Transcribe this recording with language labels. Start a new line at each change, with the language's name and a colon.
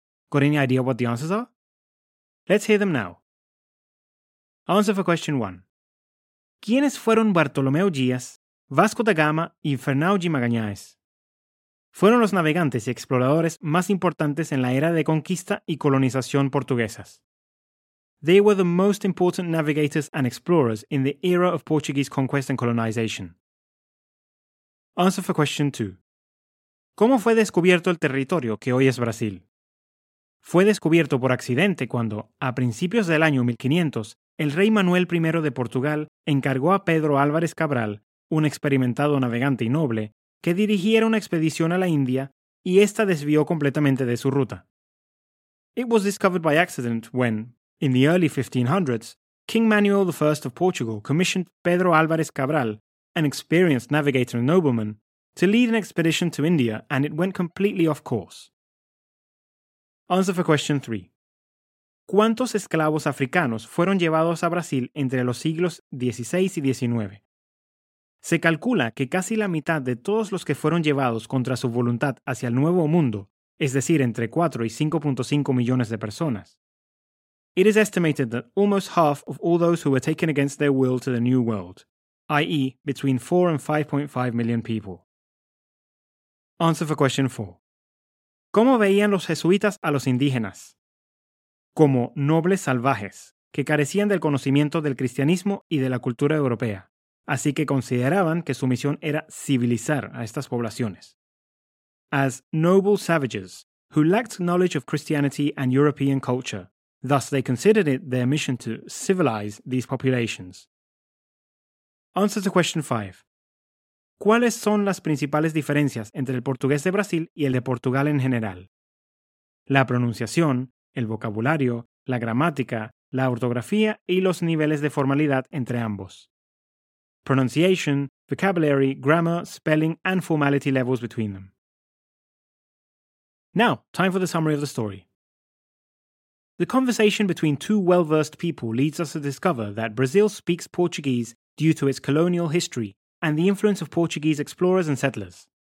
English: Got any idea what the answers are? Let's hear them now. Answer for question 1.
Spanish: ¿Quiénes fueron Bartolomeo Díaz, Vasco da Gama y Fernão de Magalhães? Fueron los navegantes y exploradores más importantes en la era de conquista y colonización portuguesas.
English: They were the most important navigators and explorers in the era of Portuguese conquest and colonization. Answer for question 2.
Spanish: ¿Cómo fue descubierto el territorio que hoy es Brasil? Fue descubierto por accidente cuando, a principios del año 1500, el rey Manuel I de Portugal encargó a Pedro Álvares Cabral, un experimentado navegante y noble, que dirigiera una expedición a la India y esta desvió completamente de su ruta.
English: It was discovered by accident when, in the early 1500s, King Manuel I of Portugal commissioned Pedro Álvares Cabral, an experienced navigator and nobleman, to lead an expedition to India and it went completely off course. Answer for question 3.
Spanish: ¿Cuántos esclavos africanos fueron llevados a Brasil entre los siglos XVI y XIX? Se calcula que casi la mitad de todos los que fueron llevados contra su voluntad hacia el Nuevo Mundo, es decir, entre 4 y 5.5 millones de personas.
English: It is estimated that almost half of all those who were taken against their will to the New World, i.e., between 4 and 5.5 million people. Answer for question 4.
Spanish: ¿Cómo veían los jesuitas a los indígenas? Como nobles salvajes, que carecían del conocimiento del cristianismo y de la cultura europea, así que consideraban que su misión era civilizar a estas poblaciones.
English: As noble savages, who lacked knowledge of Christianity and European culture, thus they considered it their mission to civilize these populations. Answer to question 5.
Spanish: ¿Cuáles son las principales diferencias entre el portugués de Brasil y el de Portugal en general? La pronunciación, el vocabulario, la gramática, la ortografía y los niveles de formalidad entre ambos.
English: Pronunciation, vocabulary, grammar, spelling and formality levels between them. Now, time for the summary of the story. The conversation between two well-versed people leads us to discover that Brazil speaks Portuguese due to its colonial history and the influence of Portuguese explorers and settlers.